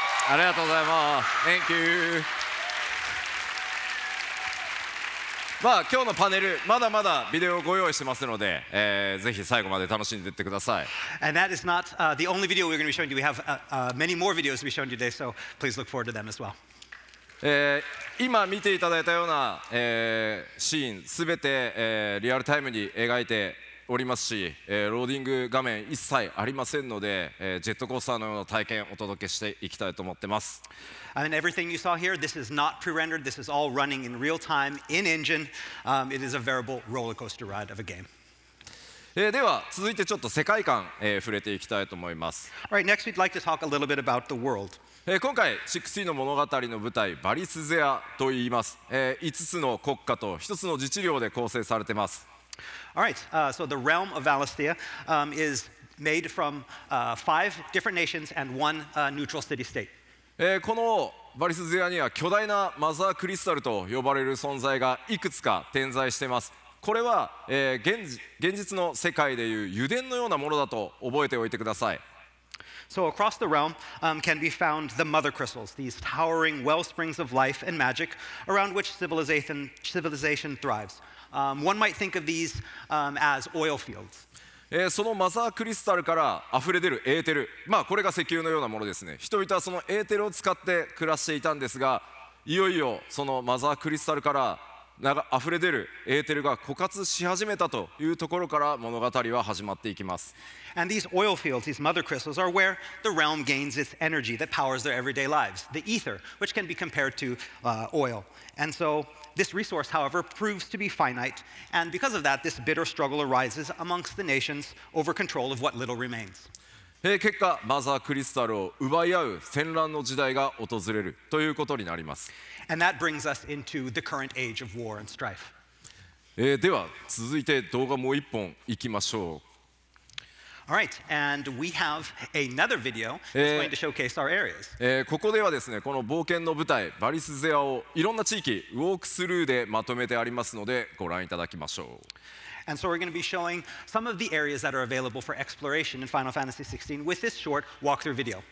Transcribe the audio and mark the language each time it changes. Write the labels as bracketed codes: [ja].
[ja] ありがとうございます。 [en] Thank you. [ja] まあ今日のパネルまだまだビデオをご用意してますので、ぜひ最後まで楽しんでいってください。 [en] And that is not the only video we're going to be showing you. We have many more videos to be showing you today, so please look forward to them as well. [ja] 今見ていただいたような、シーンすべて、リアルタイムに描いて。おりますし、ローディング画面一切ありませんので、ジェットコースターのような体験をお届けしていきたいと思ってます。 [en] And everything you saw here, this is not pre-rendered. This is all running in real time, in engine. It is a veritable roller coaster ride of a game. [ja] では続いてちょっと世界観、触れていきたいと思います。 [en] All right, next we'd like to talk a little bit about the world. [ja] 今回、16の物語の舞台、バリスゼアといいます。 5つの国家と1つの自治領で構成されてます。 [en] All right, so the realm of Valisthea is made from five different nations and one neutral city-state. [ja] このバリスゼアには巨大なマザークリスタルと呼ばれる存在がいくつか点在しています。これは、現実の世界でいう油田のようなものだと覚えておいてください。 [en] So across the realm can be found the Mothercrystals, these towering wellsprings of life and magic around which civilization thrives. One might think of these as oil fields. [ja] そのマザークリスタルから溢れ出るエーテル、まあこれが石油のようなものですね。人々はそのエーテルを使って暮らしていたんですが、いよいよそのマザークリスタルからあふれ出るエーテルが枯渇し始めたというところから物語は始まっていきます。 [en] And these oil fields, these mother crystals, are where the realm gains its energy that powers their everyday lives, the ether, which can be compared to oil. And so this resource, however, proves to be finite, and because of that, this bitter struggle arises amongst the nations over control of what little remains. [ja] 結果、マザークリスタルを奪い合う戦乱の時代が訪れるということになります。 [en] And that brings us into the current age of war and strife. [ja] では、続いて動画もう一本いきましょう。 [en] All right, and we have another video that's going to showcase our areas. [ja] ここではですね、この冒険の舞台、バリスゼアをいろんな地域、ウォークスルーでまとめてありますので、ご覧いただきましょう。 [en] And so we're going to be showing some of the areas that are available for exploration in Final Fantasy 16 with this short walkthrough video.